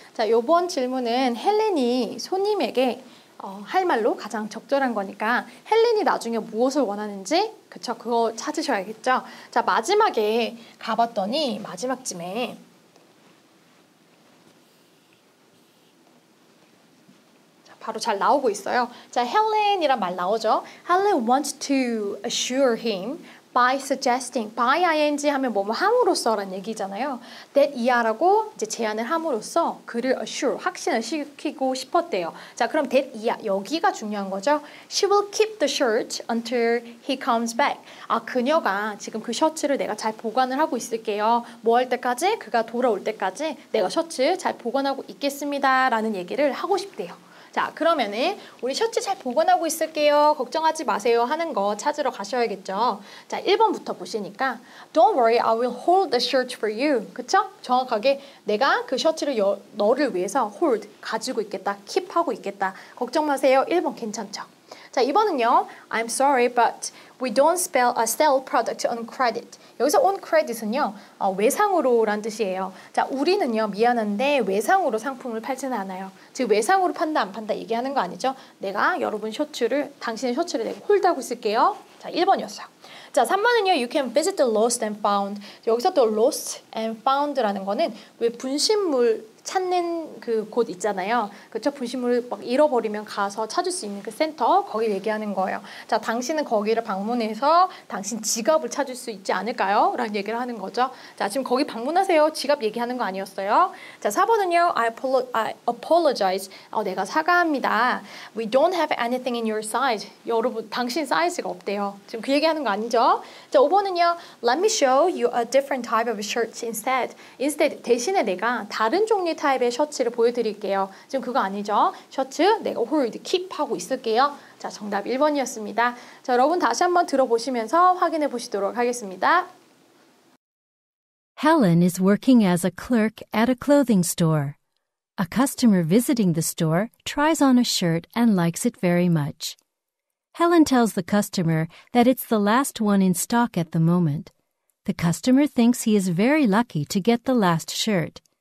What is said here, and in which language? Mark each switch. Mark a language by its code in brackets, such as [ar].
[ko] 자, 요번 질문은 헬렌이 손님에게 할 말로 가장 적절한 거니까 헬렌이 나중에 무엇을 원하는지 그쵸? 그거 찾으셔야겠죠? 자, 마지막에 가봤더니 마지막쯤에 바로 잘 나오고 있어요. 자, 헬렌이란 말 나오죠? [en] Helen wants to assure him by suggesting, by ing [ko] 하면 뭐뭐 함으로써라는 얘기잖아요. that er라고 이제 제안을 함으로써 그를 assure, 확신을 시키고 싶었대요. 자, 그럼 that er, 여기가 중요한 거죠. [en] She will keep the shirt until he comes back. [ko] 아, 그녀가 지금 그 셔츠를 내가 잘 보관을 하고 있을게요. 뭐 할 때까지? 그가 돌아올 때까지 내가 셔츠 잘 보관하고 있겠습니다. 라는 얘기를 하고 싶대요. 자, 그러면은 우리 셔츠 잘 보관하고 있을게요. 걱정하지 마세요 하는 거 찾으러 가셔야겠죠. 자, 1번부터 보시니까 [en] Don't worry, I will hold the shirt for you. [ko] 그쵸? 정확하게 내가 그 셔츠를 너를 위해서 hold, 가지고 있겠다, keep 하고 있겠다. 걱정 마세요. 1번 괜찮죠? 자, 2번은요. [en] I'm sorry, but we don't spell a sell product on credit. [ko] 여기서 on credit은요. 외상으로란 뜻이에요. 자, 우리는요. 미안한데 외상으로 상품을 팔지는 않아요. 즉, 외상으로 판다 안 판다 얘기하는 거 아니죠? 내가 여러분 셔츠를, 당신의 셔츠를 내가 홀드하고 있을게요. 자, 1번이었어요. 자, 3번은요. [en] You can visit the lost and found. [ko] 여기서 또 lost and found라는 거는 왜 분신물 찾는 그 곳 있잖아요. 그렇죠? 분신물 막 잃어버리면 가서 찾을 수 있는 그 센터, 거기 얘기하는 거예요. 자, 당신은 거기를 방문해서 당신 지갑을 찾을 수 있지 않을까요? 라는 얘기를 하는 거죠. 자, 지금 거기 방문하세요. 지갑 얘기하는 거 아니었어요. 자, 4번은요. [en] I apologize. [ko] 내가 사과합니다. [en] We don't have anything in your size. [ko] 여러분, 당신 사이즈가 없대요. 지금 그 얘기하는 거 아니죠? 자, 5번은요. [en] Let me show you a different type of shirt instead. [ko] Instead, 대신에 내가 다른 종류 타입의 셔츠를 보여드릴게요. 지금 그거 아니죠? 셔츠 내가 홀드, 킵하고 있을게요. 자, 정답 1번이었습니다. 자, 여러분 다시 한번 들어보시면서 확인해 보시도록 하겠습니다. [en] Helen is working as a clerk at a clothing store. A customer visiting the store tries on a shirt and likes it very much. Helen tells the customer that it's the last one in stock at the moment. The customer thinks he is very lucky to get the last shirt.